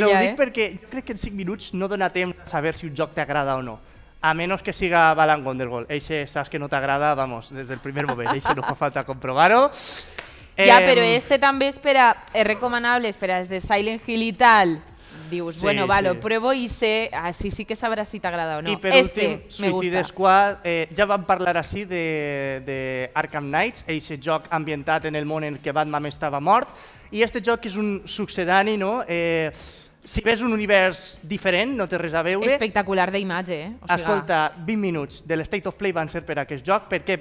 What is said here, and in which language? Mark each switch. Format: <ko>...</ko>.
<ca>No, però ho eh? Dic perquè jo crec que en 5 minuts no dona temps a saber si un joc t'agrada o no.</ca> <es>A menos que siga</es> <ca>Balan Wonderworld. Eixe, saps que no t'agrada, vamos, des del primer moment. Eixe, no fa falta comprovar-ho. Ja, però este també és recomanable, espera, és de Silent Hill i tal.</ca> <es>Dius, sí, bueno, va, sí. Lo pruebo y sé, así sí que sabrás si t'agrada o no.</es> <ca>I per este últim, Suicide Squad, ja vam parlar així de Arkham Knights, eixe joc ambientat en el món en què Batman estava mort, i este joc és un succedani, no? Si ves un univers diferent, no té res a veure. Espectacular d'imatge, eh? Escolta, 20 minuts de l'State of Play van ser per a aquest joc. Per què?</ca>